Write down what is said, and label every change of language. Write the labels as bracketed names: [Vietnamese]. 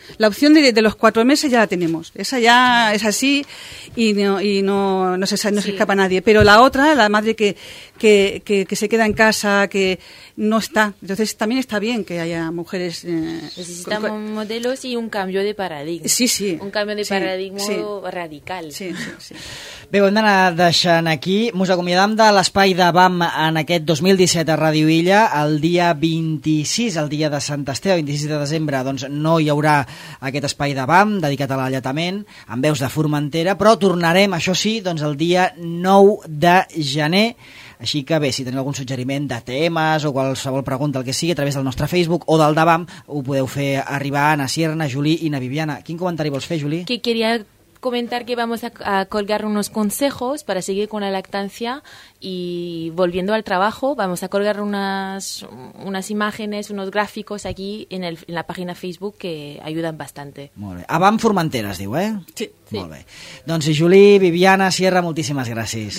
[Spanish] La opción de los cuatro meses ya la tenemos. Esa ya es así y no se escapa a nadie. Pero la otra, la madre que se queda en casa, que no está. Entonces también está bien que haya mujeres... Necesitamos modelos y un cambio de paradigma. Sí, sí. Un cambio de paradigma radical. Sí, sí, sí. [Catalan] Bé, ho hem d'anar deixant aquí. Mos acomiadam de l'espai de BAM en aquest 2017 a Ràdio Illa. El dia 26, el dia de Sant Esteve, 26 de desembre, doncs no hi haurà aquest espai de BAM dedicat a l'alletament amb veus de Formentera, però tornarem, això sí, doncs el dia 9 de gener. Així que bé, si teniu algun suggeriment de temes o qualsevol pregunta, el que sigui, a través del nostre Facebook o del de BAM, ho podeu fer arribar a Sierna, Juli i na Viviana. Quin comentari vols fer, Juli? [Spanish] Que queria comentar que vamos a colgar unos consejos para seguir con la lactancia y volviendo al trabajo, vamos a colgar unas imágenes, unos gráficos aquí en la página Facebook que ayudan bastante. [Catalan] Molt bé. Abans Formentera es diu, Sí. Molt bé. Doncs Juli, Viviana, Sierra, moltíssimes gràcies.